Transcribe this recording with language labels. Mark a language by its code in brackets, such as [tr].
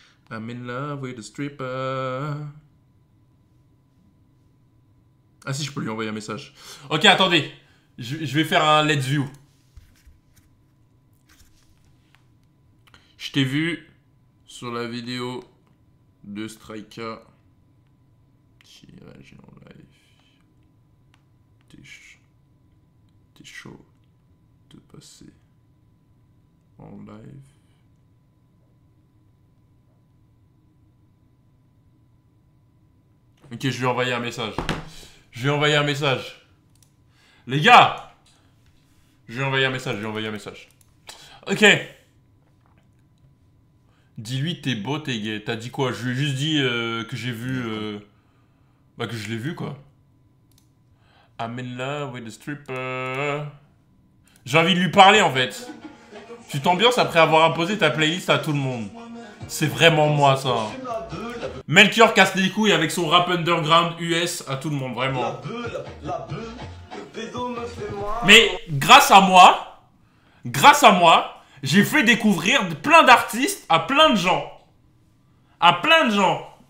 [en] I'm in love with a stripper. [fr] Ah si, je peux lui envoyer un message. Ok, attendez. Je vais faire un let's view. Je t'ai vu sur la vidéo de Strika. Tirage en live. T'es chaud de passer en live. Ok, je lui ai envoyé un message. Je lui ai envoyé un message. Les gars! Je lui ai envoyé un message, je lui ai envoyé un message. Ok. Dis-lui, t'es beau, t'es gay. T'as dit quoi? Je lui ai juste dit que j'ai vu... Bah, que je l'ai vu, quoi. [en] I'm in love with a stripper. [fr] J'ai envie de lui parler, en fait. Tu t'ambiances après avoir imposé ta playlist à tout le monde. C'est vraiment moi, ça. Melchior casse les couilles avec son rap underground US à tout le monde, vraiment. Mais grâce à moi, j'ai fait découvrir plein d'artistes à plein de gens. À plein de gens.